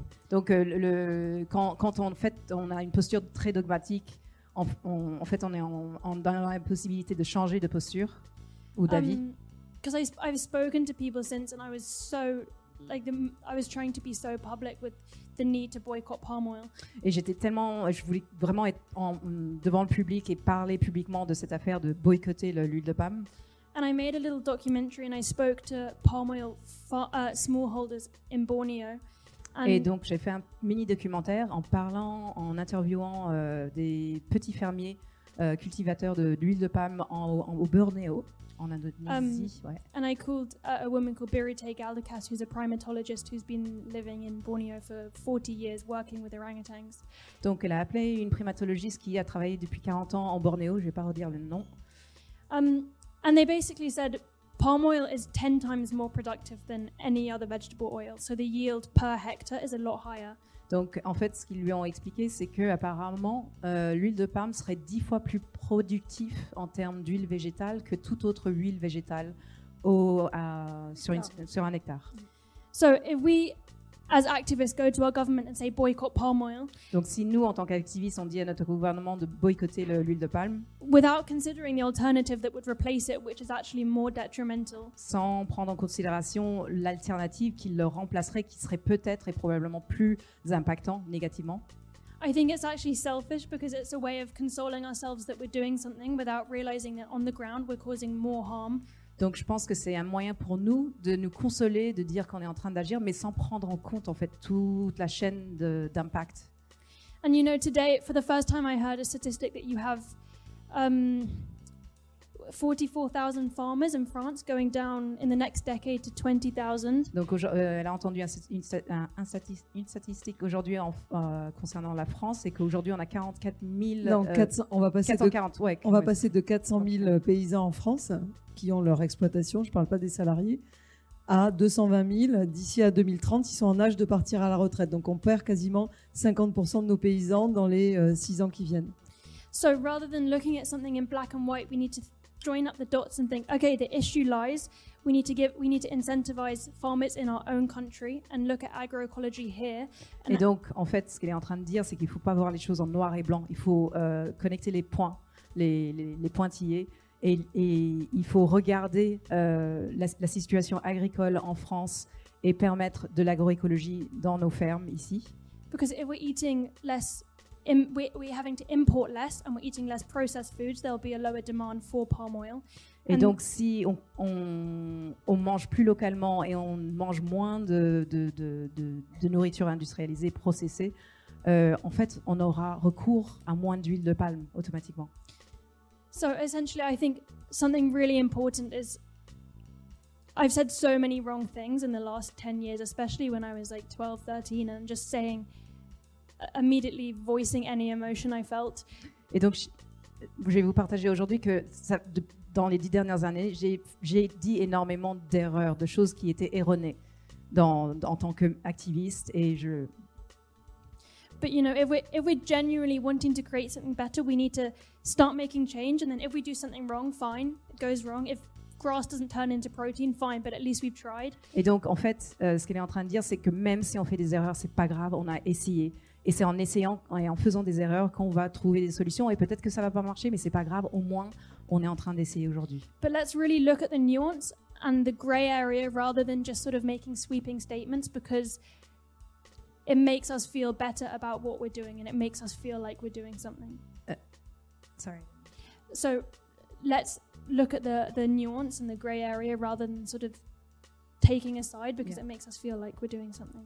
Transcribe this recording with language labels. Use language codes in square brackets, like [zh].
[fr] Donc quand en fait on a une posture très dogmatique, en fait on est dans la possibilité de changer de posture ou d'avis. [en] Because I've spoken to people since and I was so like I was trying to be so public with the need to boycott palm oil. [fr] Et j'étais tellement, je voulais vraiment être devant le public et parler publiquement de cette affaire de boycotter l'huile de palme. [en] And I made a little documentary and I spoke to palm oil smallholders in Borneo. [fr] Et donc j'ai fait un mini documentaire en parlant, en interviewant des petits fermiers cultivateurs d'huile de palme au Borneo. En Indonésie, ouais. [en] And I called a woman called Birute Galdakas, who's a primatologist who's been living in Borneo for 40 years working with orangutans. [fr] Donc elle a appelé une primatologiste qui a travaillé depuis 40 ans en Borneo, je vais pas redire le nom. [en] And they basically said palm oil is 10 times more productive than any other vegetable oil, so the yield per hectare is a lot higher. [fr] Donc en fait ce qu'ils lui ont expliqué c'est que apparemment l'huile de palme serait 10 fois plus productif en termes d'huile végétale que toute autre huile végétale sur un hectare. [en] So if we as activists go to our government and say boycott palm oil. [fr] Donc si nous en tant qu'activistes on dit à notre gouvernement de boycotter l'huile de palme. [en] Without considering the alternative that would replace it, which is actually more detrimental. [fr] Sans prendre en considération l'alternative qui le remplacerait, qui serait peut-être et probablement plus impactant négativement. [en] I think it's actually selfish because it's a way of consoling ourselves that we're doing something without realizing that on the ground we're causing more harm. [fr] Donc je pense que c'est un moyen pour nous de nous consoler, de dire qu'on est en train d'agir, mais sans prendre en compte en fait toute la chaîne d'impact. [en] And you know, today, for the first time, I heard a statistic that you have 44,000 farmers in France going down in the next decade to 20,000. [fr] Donc elle a entendu une statistique aujourd'hui concernant la France, c'est qu'aujourd'hui on a 440 de 400 000 paysans en France qui ont leur exploitation, je ne parle pas des salariés, à 220 000 d'ici à 2030, ils sont en âge de partir à la retraite. Donc on perd quasiment 50% de nos paysans dans les 6 ans qui viennent. [en] So rather than looking at something in black and white, we need to join up the dots and think, okay, the issue lies. We need to incentivize farmers in our own country and look at agroecology here. [fr] Et donc, en fait, ce qu'elle est en train de dire, c'est qu'il ne faut pas voir les choses en noir et blanc. Il faut connecter les points, les pointillés. Et il faut regarder la situation agricole en France et permettre de l'agroécologie dans nos fermes ici. [en] Because if we're eating less, we're having to import less and we're eating less processed foods, there'll be a lower demand for palm oil. [fr] Et donc si on mange plus localement et on mange moins de nourriture industrialisée, processée, en fait, on aura recours à moins d'huile de palme automatiquement. [en] So essentially, I think something really important is I've said so many wrong things in the last 10 years, especially when I was like 12, 13, and just saying, immediately voicing any emotion I felt. [fr] Et donc, je vais vous partager aujourd'hui que ça, dans les 10 dernières années, j'ai dit énormément d'erreurs, de choses qui étaient erronées en tant qu'activiste et je... [en] But you know, if we're genuinely wanting to create something better, we need to start making change. And then if we do something wrong, fine, it goes wrong. If grass doesn't turn into protein, fine, but at least we've tried. [fr] Et donc, en fait, ce qu'elle est en train de dire, c'est que même si on fait des erreurs, c'est pas grave, on a essayé. Et c'est en essayant et en faisant des erreurs qu'on va trouver des solutions. Et peut-être que ça va pas marcher, mais c'est pas grave, au moins, on est en train d'essayer aujourd'hui. [en] But let's really look at the nuance and the gray area rather than just sort of making sweeping statements because it makes us feel better about what we're doing and it makes us feel like we're doing something. Sorry. So let's look at the nuance and the gray area rather than sort of taking a side because it makes us feel like we're doing something.